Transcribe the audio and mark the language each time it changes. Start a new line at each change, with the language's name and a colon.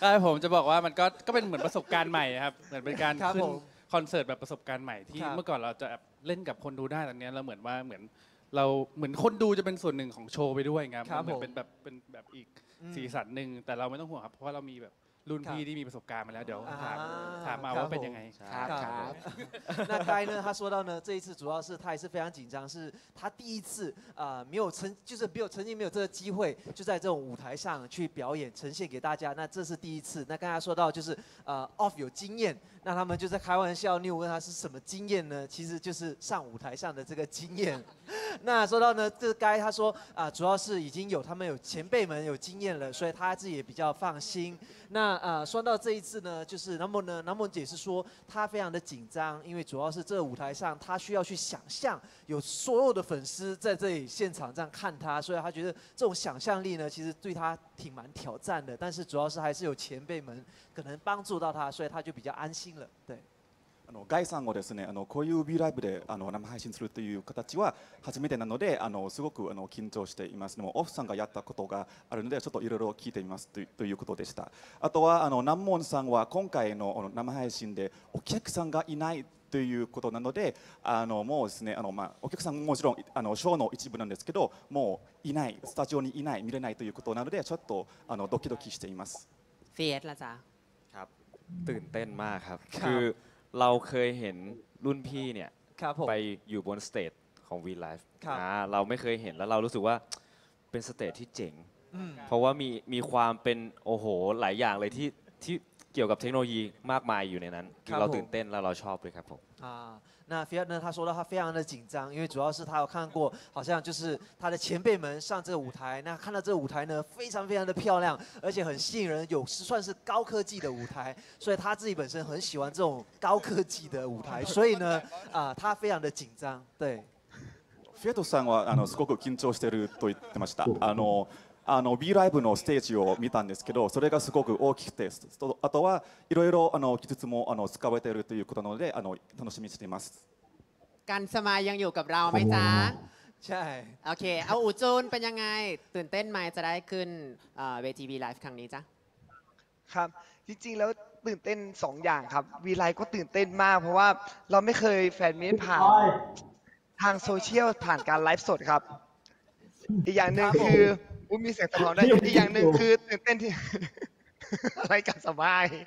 Thai: ใช่ผมจะบอกว่ามันก็เป็นเหมือนประสบการณ์ใหม่ครับเหมือนเป็นการขึ้นคอนเสิร์ตแบบประสบการณ์ใหม่ที่เมื่อก่อนเราจะเล่นกับคนดูได้ตอนนี้เราเหมือนว่าเหมือนคนดูจะเป็นส่วนหนึ่งของโชว์ไปด้วยครับเหมือนเป็นแบบอีกสีสันนึงแต่เราไม่ต้องห่วงครับเพราะเรามีแบบรุ่นพี่ที่มีประสบการณ์มาแล้วเดี๋ยวถามมาว่าเป็นยังไง ครับ
Chinese: 那该呢他说到呢这一次主要是他也是非常紧张是他第一次没有曾就是没有曾经没有这个机会就在这种舞台上去表演呈现给大家那这是第一次那刚才说到就是off 有经验那他们就在开玩笑你有问他是什么经验呢其实就是上舞台上的这个经验那说到呢这该他说主要是已经有他们有前辈们有经验了所以他自己也比较放心那说到这一次呢就是那么姐是说他非常的紧张因为主要是这个舞台上他需要去想象有所有的粉丝在这里现场这样看他所以他觉得这种想象力呢其实对他挺蛮挑战的但是主要是还是有前辈们可能帮助到他所以他就比较安心了对
Japanese: あのガイさんをですねあのこういう V ライブであの生配信するという形は初めてなのであのすごくあの緊張していますでもオフさんがやったことがあるのでちょっといろいろ聞いてみますということでしたあとはあの南門さんは今回の生配信でお客さんがいないということなのであのもうですねあのまあお客さんももちろんあのショーの一部なんですけどもういないスタジオにいない見れないということなのでちょっとあのドキドキしています
Thai: เฟียสล่ะจ๊ะ ครับตื่นเต้นมากครับคือเราเคยเห็นรุ่นพี่เนี่ยไปอยู่บนสเตจของ VLive เราไม่เคยเห็นแล้วเรารู้สึกว่าเป็นสเตจที่เจ๋งเพราะว่ามีความเป็นโอ้โหหลายอย่างเลยที่เกี่ยวกับเทคโนโลยีมากมายอยู่ในนั้นเราตื่นเต้นแล้วเราชอบเลยครับผม
Chinese: 那菲亚呢？他说到他非常的紧张，因为主要是他有看过，好像就是他的前辈们上这个舞台，那看到这个舞台呢，非常非常的漂亮，而且很吸引人，有算是高科技的舞台，所以他自己本身很喜欢这种高科技的舞台，所以呢，他非常的紧张，对。
Japanese: フェドさんはあのすごく緊張してると言ってました。あの B ライブのステージを見たんですけど、それがすごく大きくて、あとはいろいろあの技術もあの使われているということなので、あの楽しみにしています。
Thai: กันสมายังอยู่กับเราไหมจ๊ะ ใช่ โอเคเอาอู่จูนเป็นยังไงตื่นเต้นไหมจะได้ขึ้นวีทีวีไลฟ์ครั้งนี้จ๊ะ ครับจริงๆแล้วตื่นเต้น2อย่างครับวีไลฟ์ก็ตื่นเต้นมากเพราะว่าเราไม่เคยแฟนเมทผ่านทางโซเชียลผ่านการไลฟ์สดครับอีกอย่างนึงคือมีเสียงสะท้อนได้อีกอย่างนึงคือตื่นเต้นที่อะไรกันสบาย